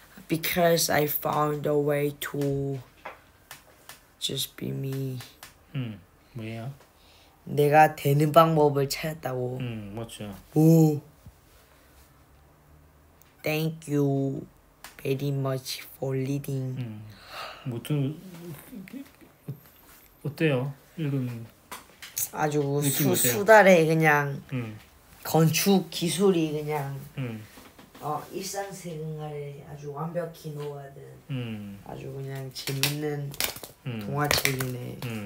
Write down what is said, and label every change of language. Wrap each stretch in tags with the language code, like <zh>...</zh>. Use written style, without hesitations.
<en>Because I found a way to just be me.</en> <ko>뭐야? 내가 되는 방법을 찾았다고. 맞죠. 오.</ko> <en>Thank you very much for reading.</en> <ko>무슨 어때요? 읽은 아주 수달의 그냥 건축 기술이 그냥. 일상생활에 아주 완벽히 녹아든 아주 그냥 재밌는 동화책이네.</ko>